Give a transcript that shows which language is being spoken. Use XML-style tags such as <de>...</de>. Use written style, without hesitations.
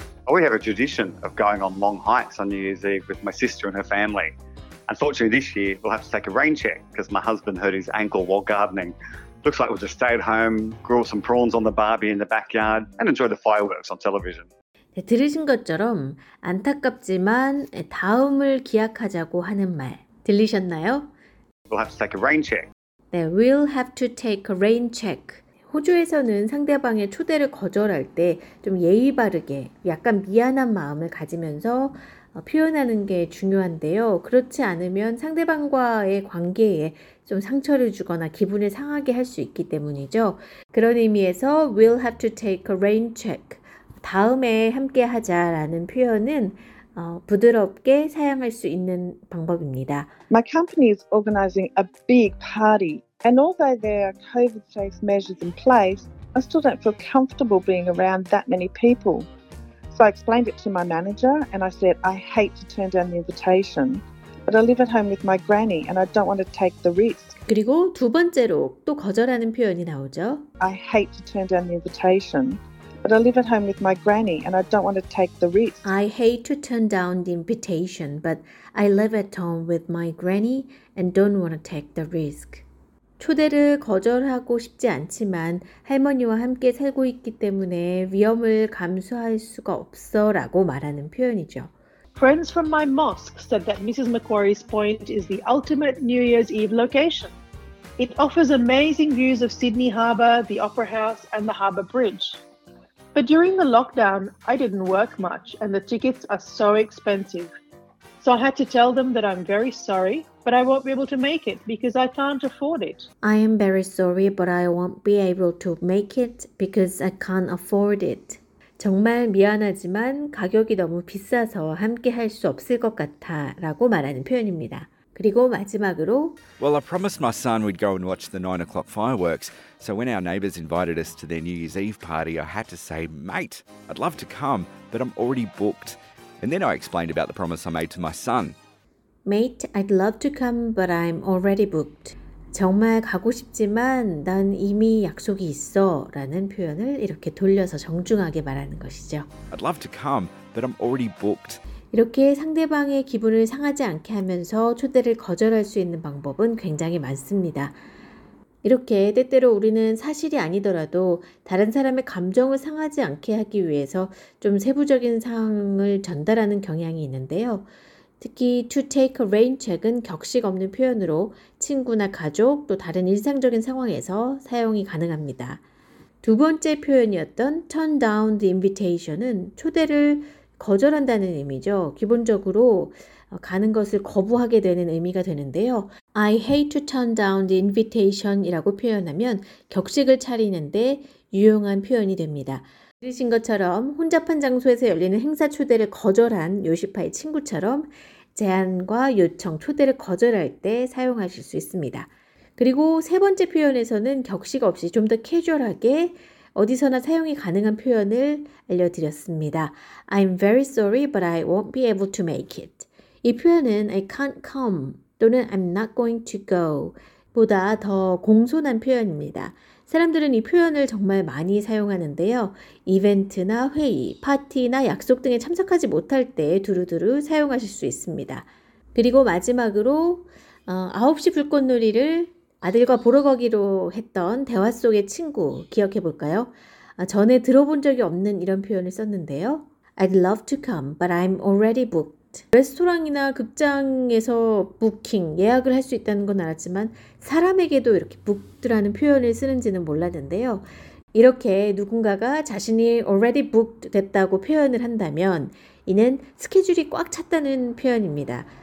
<en>We have a tradition of going on long hikes on New Year's Eve with my sister and her family. Unfortunately, this year we'll have to take a rain check because my husband hurt his ankle while gardening. Looks like we'll just stay at home, grill some prawns on the barbie in the backyard, and enjoy the fireworks on television.</en> <ko>네, 들으신 것처럼 안타깝지만 다음을 기약하자고 하는 말 들리셨나요?</ko> <en>We'll have to take a rain check. 네, we'll have to take a rain check.</en> <ko>호주에서는 상대방의 초대를 거절할 때 좀 예의 바르게 약간 미안한 마음을 가지면서 표현하는 게 중요한데요. 그렇지 않으면 상대방과의 관계에 좀 상처를 주거나 기분을 상하게 할 수 있기 때문이죠. 그런 의미에서</ko> <en>we'll have to take a rain check.</en> <ko>다음에 함께 하자라는 표현은 부드럽게 사용할 수 있는 방법입니다.</ko> <en>My company is organizing a big party. And although there are COVID safe measures in place, I still don't feel comfortable being around that many people. So I explained it to my manager and I said, I hate to turn down the invitation, but I live at home with my granny and I don't want to take the risk.</en> <ko>그리고 두 번째로 또 거절하는 표현이 나오죠.</ko> <en>I hate to turn down the invitation, but I live at home with my granny and I don't want to take the risk. I hate to turn down the invitation, but I live at home with my granny and don't want to take the risk.</en> <ko>초대를 거절하고 싶지 않지만 할머니와 함께 살고 있기 때문에 위험을 감수할 수가 없어 라고 말하는 표현이죠.</ko> <en>Friends from my mosque said that Mrs. Macquarie's point is the ultimate New Year's Eve location. It offers amazing views of Sydney Harbour, the Opera House and the Harbour Bridge. But during the lockdown, I didn't work much and the tickets are so expensive. So I had to tell them that I'm very sorry, but I won't be able to make it because I can't afford it. I am very sorry, but I won't be able to make it because I can't afford it.</en> <ko>정말 미안하지만 가격이 너무 비싸서 함께 할 수 없을 것 같아 라고 말하는 표현입니다. 그리고 마지막으로</ko> <en>Well, I promised my son we'd go and watch the 9 o'clock fireworks. So when our neighbors invited us to their New Year's Eve party, I had to say, mate, I'd love to come, but I'm already booked. And then I explained about the promise I made to my son. Mate, I'd love to come, but I'm already booked.</en> <ko>정말 가고 싶지만 난 이미 약속이 있어 라는 표현을 이렇게 돌려서 정중하게 말하는 것이죠.</ko> <en>I'd love to come, but I'm already booked.</en> <ko>이렇게 상대방의 기분을 상하지 않게 하면서 초대를 거절할 수 있는 방법은 굉장히 많습니다. 이렇게 때때로 우리는 사실이 아니더라도 다른 사람의 감정을 상하지 않게 하기 위해서 좀 세부적인 상황을 전달하는 경향이 있는데요. 특히</ko> <en>to take a rain check</en> <ko>은 격식 없는 표현으로 친구나 가족 또 다른 일상적인 상황에서 사용이 가능합니다. 두 번째 표현이었던</ko> <en>turn down the invitation</en> <ko>은 초대를 거절한다는 의미죠. 기본적으로 가는 것을 거부하게 되는 의미가 되는데요.</ko> <en>I hate to turn down the invitation</en> <ko>이라고 표현하면 격식을 차리는데 유용한 표현이 됩니다. 들으신 것처럼 혼잡한 장소에서 열리는 행사 초대를 거절한 요시파의 친구처럼 제안과 요청, 초대를 거절할 때 사용하실 수 있습니다. 그리고 세 번째 표현에서는 격식 없이 좀 더 캐주얼하게 어디서나 사용이 가능한 표현을 알려드렸습니다.</ko> <en>I'm very sorry, but I won't be able to make it.</en> <ko>이 표현은</ko> <en>I can't come</en> <ko>또는</ko> <en>I'm not going to go</en> <ko>보다 더 공손한 표현입니다. 사람들은 이 표현을 정말 많이 사용하는데요. 이벤트나 회의, 파티나 약속 등에 참석하지 못할 때 두루두루 사용하실 수 있습니다. 그리고 마지막으로 9시 불꽃놀이를 아들과 보러 가기로 했던 대화 속의 친구 기억해 볼까요? 전에 들어본 적이 없는 이런 표현을 썼는데요.</ko> <en>I'd love to come, but I'm already booked.</en> <ko>레스토랑이나 극장에서 부킹, 예약을 할 수 있다는 건 알았지만 사람에게도 이렇게 booked라는 표현을 쓰는지는 몰랐는데요. 이렇게 누군가가 자신이</ko> <en>already booked</en> <ko>됐다고 표현을 한다면 이는 스케줄이 꽉 찼다는 표현입니다.</ko>